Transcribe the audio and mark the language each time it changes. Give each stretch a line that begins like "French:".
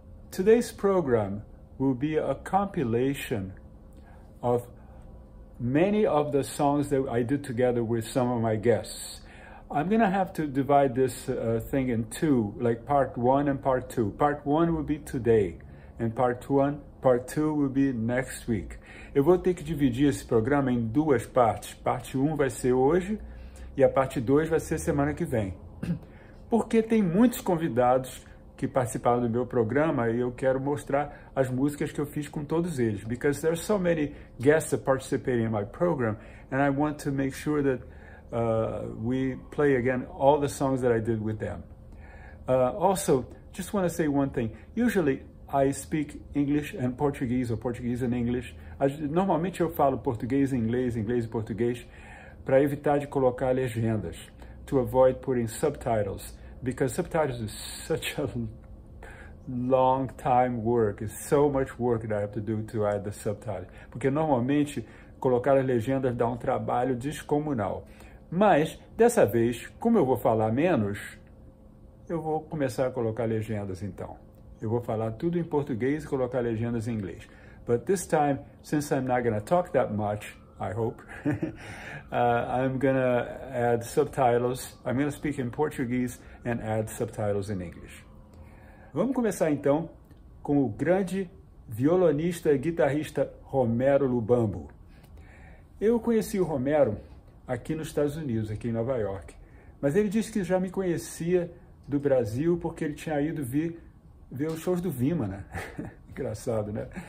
English: Today's program will be a compilation of many of the songs that I did together with some of my guests. I'm gonna have to divide this thing in two, like part one and part two. Part one will be today, and part two will be next week.
Portuguese: Eu vou ter que dividir esse programa em duas partes. Parte um vai ser hoje, e a parte dois vai ser semana que vem. Porque tem muitos convidados que participaram do meu programa e eu quero mostrar as músicas que eu fiz com todos eles.
English: Because there are so many guests that participated in my program, and I want to make sure that we play again all the songs that I did with them. Also, just want to say one thing. Usually, I speak English and Portuguese, or Portuguese and English.
Portuguese: Normalmente, eu falo português e inglês, inglês e português, para evitar de colocar legendas,
English: to avoid putting subtitles. Because subtitles is such a long time work. It's so much work that I have to do to add the subtitles.
Portuguese: Porque normalmente, colocar as legendas dá trabalho descomunal. Mas, dessa vez, como eu vou falar menos, eu vou começar a colocar legendas então. Eu vou falar tudo em português e colocar legendas em inglês.
English: But this time, since I'm not going to talk that much, I hope, I'm going to add subtitles. I'm going to speak in Portuguese and add subtitles in English.
Portuguese: Vamos começar então com o grande violonista e guitarrista Romero Lubambo. Eu conheci o Romero aqui nos Estados Unidos, aqui em Nova York. Mas ele disse que já me conhecia do Brasil porque ele tinha ido ver os shows do Vima, né? Engraçado, né?